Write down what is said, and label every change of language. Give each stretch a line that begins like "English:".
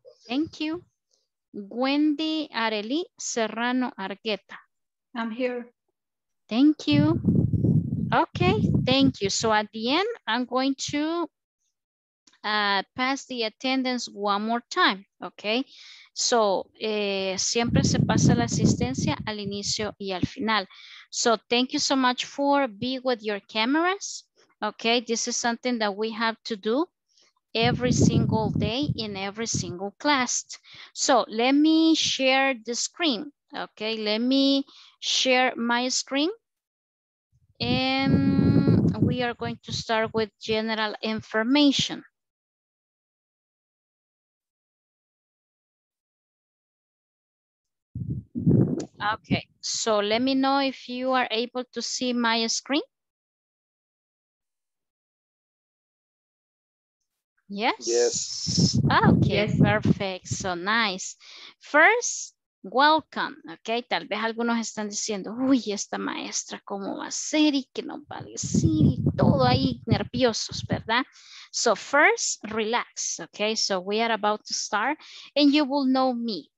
English: Thank you. Wendy Arely Serrano Argueta. I'm here. Thank you. Okay, thank you. So at the end, I'm going to pass the attendance one more time. Okay.
Spanish: So, siempre se pasa la asistencia al inicio y al final.
English: So, thank you so much for being with your cameras. Okay, this is something that we have to do every single day in every single class. So, let me share the screen. Okay, let me share my screen. And we are going to start with general information. Okay, so let me know if you are able to see my screen. Yes? Yes. Okay, yes. Perfect. So nice. First, welcome.
Spanish: Okay, tal vez algunos están diciendo, uy, esta maestra, ¿cómo va a ser? Y que no va a decir, y todo ahí nerviosos, ¿verdad?
English: So first, relax. Okay, so we are about to start and you will know me.